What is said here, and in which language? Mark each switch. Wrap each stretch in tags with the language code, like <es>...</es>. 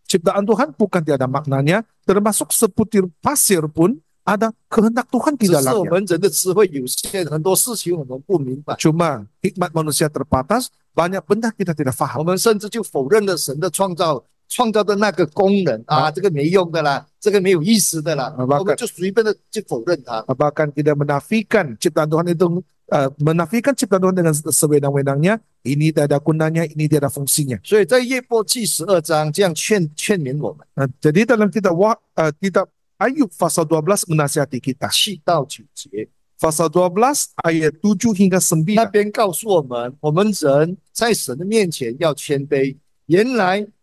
<ms>Ciptaan Tuhan bukan tiada maknanya, termasuk seputir pasir pun ada kehendak Tuhan di dalamnya.</ms> <zh>只是我们人的智慧有限，很多事情我们不明白。</zh> <ms>Cuma hikmat manusia terbatas, banyak benda kita tidak faham.</ms> <zh>我们甚至就否认了神的创造的那个功能啊，这个没用的啦，这个没有意思的啦，我们就随便的就否认它。</zh> <ms>Bahkan kita menafikan ciptaan Tuhan itu, menafikan ciptaan Tuhan dengan sewenang-wenangnya, ini tidak ada gunanya, ini tidak ada fungsinya.</ms> <zh>所以在耶波记12章这样劝勉我们。</zh> <ms>Nah, jadi dalam kitab kitab Ayub pasal 12 menasihati kita.</ms> <zh>7到9节。</zh> <ms>Pasal 12 ayat 7 hingga 9.</ms> <zh>那边告诉我们，我们人在神的面前要谦卑。原来</zh>